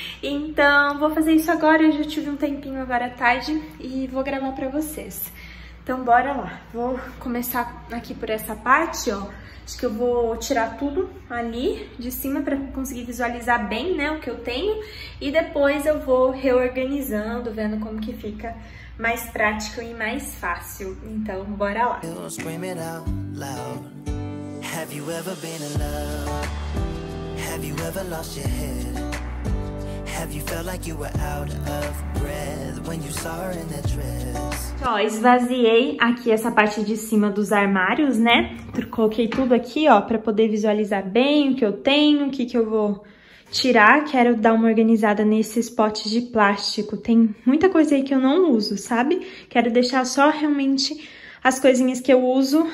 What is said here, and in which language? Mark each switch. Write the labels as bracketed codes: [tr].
[pt] Então, vou fazer isso agora, eu já tive um tempinho agora à tarde e vou gravar pra vocês. Então, bora lá. Vou começar aqui por essa parte, ó. Acho que eu vou tirar tudo ali de cima pra conseguir visualizar bem, né, o que eu tenho. E depois eu vou reorganizando, vendo como que fica mais prático e mais fácil. Então, bora lá. [en] You'll scream it out loud. Have you ever been in love? Have you ever lost your head? Have you felt like you were out of breath when you saw her in that dress? [pt] Ó, esvaziei aqui essa parte de cima dos armários, né? Coloquei tudo aqui, ó, pra poder visualizar bem o que eu tenho, o que, eu vou tirar. Quero dar uma organizada nesses potes de plástico. Tem muita coisa aí que eu não uso, sabe? Quero deixar só realmente as coisinhas que eu uso.